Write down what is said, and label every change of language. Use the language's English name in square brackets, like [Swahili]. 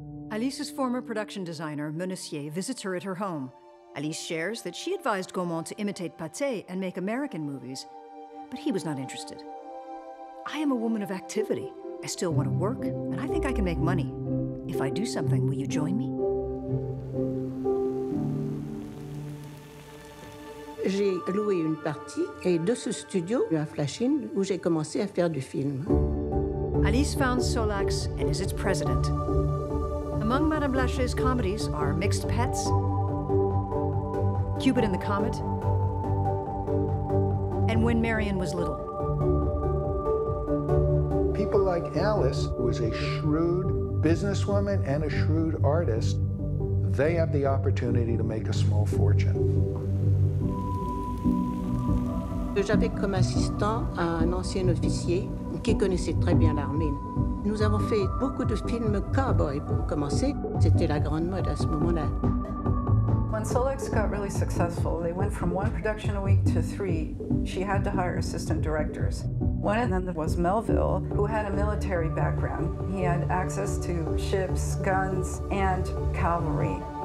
[English] Alice's former production designer, Menessier, visits her at her home. Alice shares that she advised Gaumont to imitate Pâté and make American movies, but he was not interested. I am a woman of activity. I still want to work, and I think I can make money. If I do something, will you join me? [French] J'ai loué une partie, et de ce studio, à Flushing, où j'ai commencé à faire du film. [English] Alice found Solax and is its president. Among Madame Blaché's comedies are Mixed Pets, Cupid and the Comet, and When Marion Was Little. People like Alice, who is a shrewd businesswoman and a shrewd artist, they have the opportunity to make a small fortune. [French] J'avais comme assistant un ancien officier qui connaissait très bien l'armée. Nous avons fait beaucoup de films cowboys pour commencer. C'était la grande mode à ce moment-là. [English] When Solex got really successful, they went from one production a week to three. She had to hire assistant directors. One of them was Melville, who had a military background. He had access to ships, guns, and cavalry.